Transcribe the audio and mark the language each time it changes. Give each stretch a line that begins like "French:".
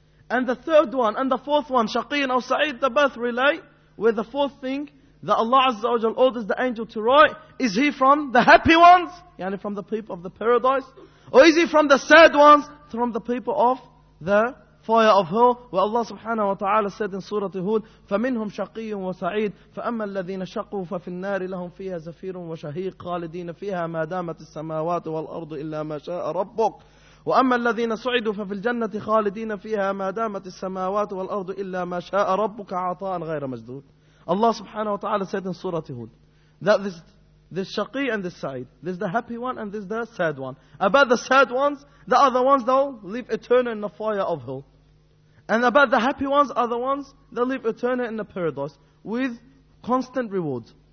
English: And the third one and the fourth one, Shaqiyin or Sa'id, they both relate with the fourth thing that Allah Azza wa Jal orders the angel to write. Is he from the happy ones? Yani from the people of the paradise? Or is he from the sad ones? From the people of the fire of hell. Where
Arabic: Allah subhanahu wa ta'ala
English: said in
Arabic: Surah Hud, فَمِنْهُمْ شَقِيٌّ وَسَعِيدٌ فَأَمَّا الَّذِينَ شَقُوا فَفِي النَّارِ لَهُمْ فِيهَا زَفِيرٌ وَشَهِيقٌ خَالِدِينَ فِيهَا مَا دَامَتِ السَّمَاوَاتُ وَالْأَرْضُ إِلَّا مَا شَاءَ رَبُّكَ وَأَمَّا الَّذِينَ سُعِدُوا فَفِي الْجَنَّةِ خَالِدِينَ فِيهَا مَا دَامَتِ السَّمَاوَاتُ وَالْأَرْضُ إِلَّا مَا شَاءَ رَبُّكَ عَطَاءً غَيْرَ مَجْدُودٍ.
English: Allah subhanahu wa ta'ala said in Surah Hud that this Shaqi and this Sa'id, there's the happy one and there's the sad one. About the sad ones, the other ones, they'll live eternal in the fire of hell. And about the happy ones, other ones, they'll live eternal in the paradise with constant rewards.